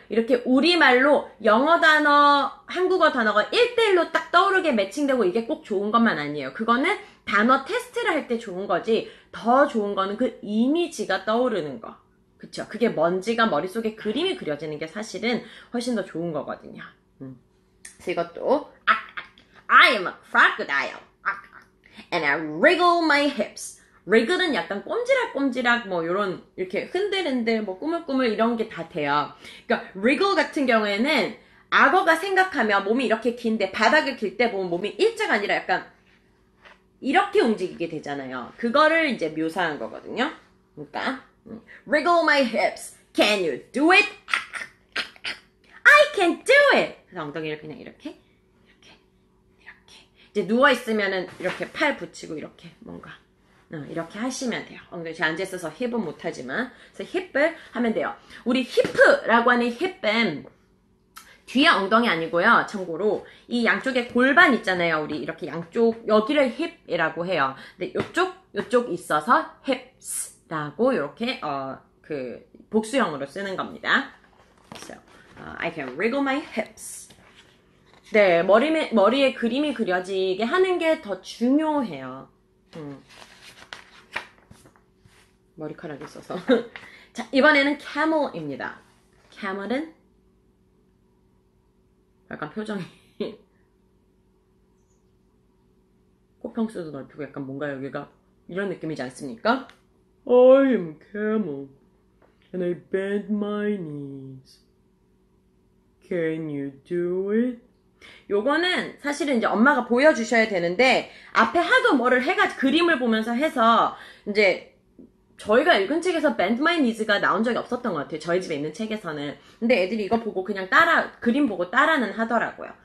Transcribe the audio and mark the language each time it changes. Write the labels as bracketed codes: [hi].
[ko] 이렇게 우리말로 영어 단어, 한국어 단어가 1대1로 딱 떠오르게 매칭되고 이게 꼭 좋은 것만 아니에요. 그거는 단어 테스트를 할 때 좋은 거지 더 좋은 거는 그 이미지가 떠오르는 거. 그쵸? 그게 뭔지가 머릿속에 그림이 그려지는 게 사실은 훨씬 더 좋은 거거든요. 그래서 이것도 [en] I am a crocodile. And I wriggle my hips. [ko] Wriggle은 약간 꼼지락꼼지락 뭐 이런 이렇게 흔들흔들 뭐 꾸물꾸물 이런 게 다 돼요. 그러니까 wriggle 같은 경우에는 악어가 생각하면 몸이 이렇게 긴데 바닥을 길 때 보면 몸이 일자가 아니라 약간 이렇게 움직이게 되잖아요. 그거를 이제 묘사한 거거든요. 그러니까 [en] wriggle my hips. Can you do it? I can do it. [ko] 그래서 엉덩이를 그냥 이렇게 이제 누워있으면은 이렇게 팔 붙이고 이렇게 뭔가 이렇게 하시면 돼요. 엉덩이 제가 앉아있어서 힙은 못하지만 그래서 힙을 하면 돼요. 우리 힙라고 하는 힙은 뒤에 엉덩이 아니고요. 참고로 이 양쪽에 골반 있잖아요. 우리 이렇게 양쪽 여기를 힙이라고 해요. 근데 요쪽 있어서 힙스라고 이렇게 그 복수형으로 쓰는 겁니다. [en] So, I can wriggle my hips. [ko] 네, 머리에 그림이 그려지게 하는 게 더 중요해요. 머리카락이 있어서. 자, 이번에는 camel입니다. camel은? 약간 표정이. 코평수도 넓히고 약간 뭔가 여기가 이런 느낌이지 않습니까? [en] I am a camel and I bend my knees. Can you do it? [ko] 요거는 사실은 이제 엄마가 보여주셔야 되는데 앞에 하도 뭐를 해가지고 그림을 보면서 해서 이제 저희가 읽은 책에서 Bend My Knees가 나온 적이 없었던 것 같아요. 저희 집에 있는 책에서는. 근데 애들이 이거 보고 그냥 따라 그림 보고 따라는 하더라고요.